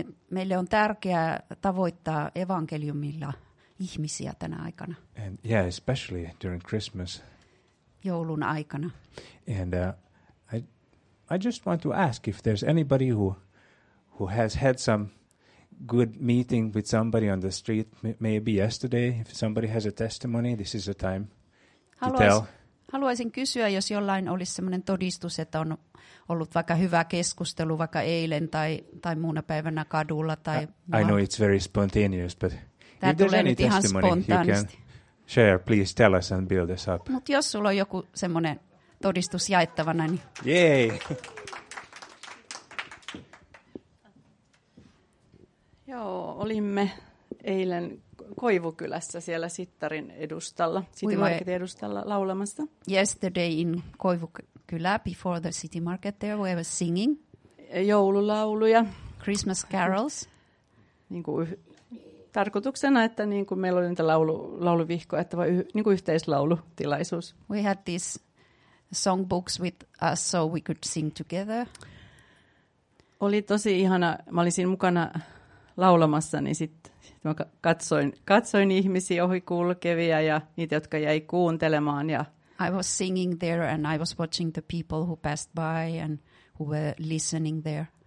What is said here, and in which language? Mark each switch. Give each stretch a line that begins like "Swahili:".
Finnish: Meille on tärkeää tavoittaa evankeliumilla ihmisiä tänä aikana.
English: And yeah, especially during Christmas.
Finnish: Joulun aikana.
English: And I just want to ask if there's anybody who has had some good meeting with somebody on the street, maybe yesterday, if somebody has a testimony, this is a time to tell.
Finnish: Haluaisin kysyä, jos jollain olisi sellainen todistus, että on ollut vaikka hyvä keskustelu vaikka eilen tai muuna päivänä kadulla. Tai
English: I know it's very spontaneous, but tämä if there's any testimony you can share, please tell us and build us up.
Finnish: Mutta jos sulla on joku sellainen todistus jaettavana, niin... Yay! Joo, olimme eilen Koivukylässä siellä Sittarin edustalla, City Marketin edustalla laulamassa.
English: Yesterday in Koivukylä, before the City Market there, we were singing.
Finnish: Joululauluja.
English: Christmas carols.
Finnish: Niin kuin tarkoituksena, että niin kuin meillä oli niitä lauluvihkoja, että vain niin kuin yhteislaulutilaisuus.
English: We had these songbooks with us so we could sing together.
Finnish: Oli tosi ihana, mä olin siinä mukana... laulamassa, niin sitten katsoin ihmisiä ohikulkevia ja niitä, jotka jäi kuuntelemaan. Ja
English: I was singing there and I was watching the people who passed by and who were listening there.